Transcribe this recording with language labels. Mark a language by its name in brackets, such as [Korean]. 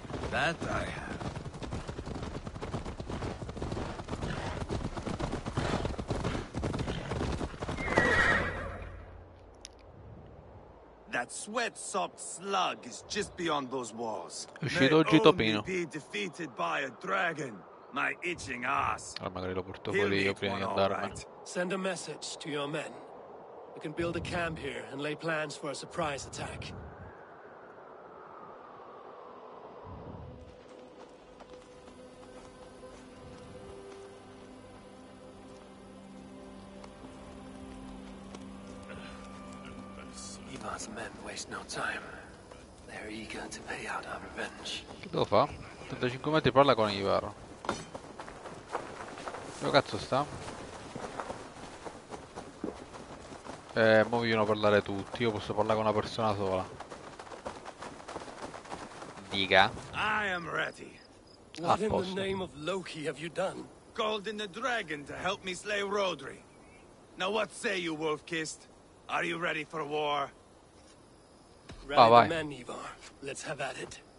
[English] That I have. That sweat-sopped slug is just beyond those walls. [Italian] Uscito oggi Topino. [English] Be defeated by a dragon. My itching ass. [Italian] Allora magari lo porto con lì io prima di andarmene. [English] Send a message to your men. We can build a camp here and lay plans for a surprise attack. Ivar's men waste no time. They're eager to pay out our revenge. [Italian] Che devo fa? 35 metri parla con Ivar. Dove cazzo sta? Mo vogliono parlare tutti, io posso parlare con una persona sola. Diga. [English] I am ready. What in the name of Loki have you done? Called in the dragon to help me slay Rodri. Now what say you, Wolfkist? Are you ready for war? Rally the men, Ivar. Let's have at it.